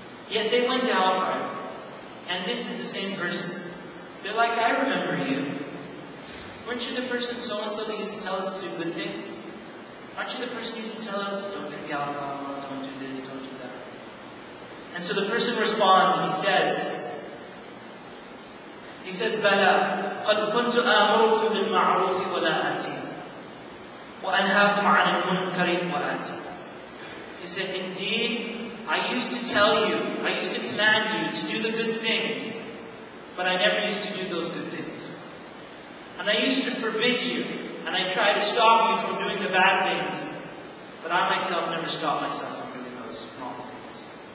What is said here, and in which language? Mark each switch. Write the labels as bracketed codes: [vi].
[en] Yet they went to hellfire. And this is the same person. They're like, I remember you. Weren't you the person so-and-so that used to tell us to do good things? Aren't you the person who used to tell us, don't drink alcohol, don't do this, don't do that? And so the person responds and he says, [ar] بَلَا قَدْ كُنْتُ أَمُرُكُمْ بِالْمَعْرُوفِ وَلَا آتِي وَأَنْهَاكُمْ عَنِ الْمُنْكَرِ وَلَا آتِي. [en] He said, indeed, I used to tell you, I used to command you to do the good things, but I never used to do those good things. And I used to forbid you, and I try to stop you from doing the bad things. But I myself never stop myself from doing those wrong things.